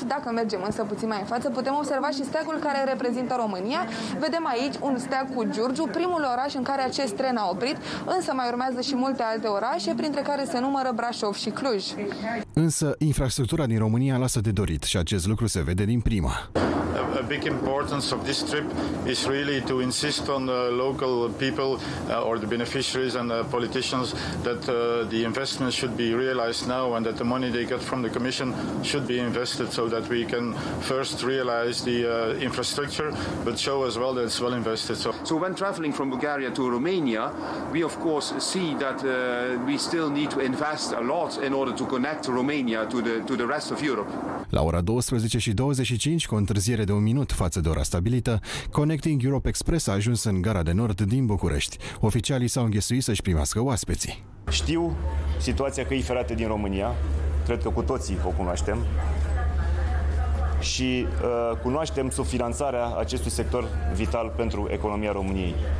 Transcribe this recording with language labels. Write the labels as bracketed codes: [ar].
[ro] Dacă mergem însă puțin mai în față, putem observa și steagul care reprezintă România. Vedem aici un steag cu Giurgiu, primul oraș în care acest tren a oprit, însă mai urmează și multe alte orașe, printre care se numără Brașov și Cluj. Însă, infrastructura din România lasă de dorit și acest lucru se vede din prima. [en] A big importance of this trip is really to insist on the local people or the beneficiaries and the politicians that the investment should be real. Realize now and that the money they get from the commission should be invested so that we can first realize the infrastructure but show as well that it's well invested. So when traveling from Bulgaria to Romania, we of course see that we still need to invest a lot in order to connect Romania to the rest of Europe. [ro] La ora 12:25, cu o întârziere de un minut față de ora stabilită, Connecting Europe Express a ajuns în Gara de Nord din București. Oficialii s-au înghesuit să-și primească oaspeții. Știu situația căi ferate din România, cred că cu toții o cunoaștem, și cunoaștem subfinanțarea acestui sector vital pentru economia României.